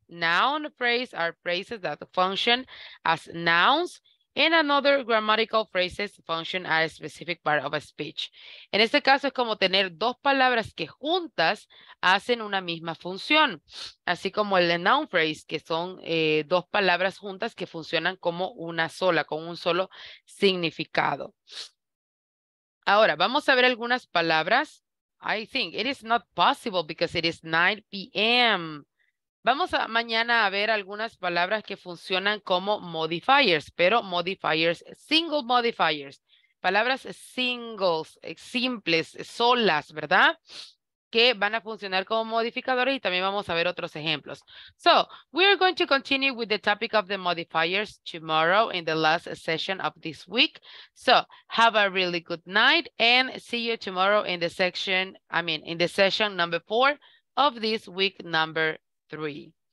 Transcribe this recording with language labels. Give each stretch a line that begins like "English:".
English: Noun phrase are phrases that function as nouns. And another grammatical phrases function as a specific part of a speech.
Spanish: En este caso es como tener dos palabras que juntas hacen una misma función. Así como el noun phrase, que son dos palabras juntas que funcionan como una sola, con un solo significado. Ahora, vamos a ver algunas palabras.
English: I think it is not possible because it is 9 p.m.
Spanish: Vamos a mañana a ver algunas palabras que funcionan como modifiers, pero modifiers, single modifiers, palabras singles, simples, solas, ¿verdad? Que van a funcionar como modificadores y también vamos a ver otros ejemplos.
English: So, we are going to continue with the topic of the modifiers tomorrow in the last session of this week. So, have a really good night and see you tomorrow in the section, I mean, in the session number 4 of this week number 3.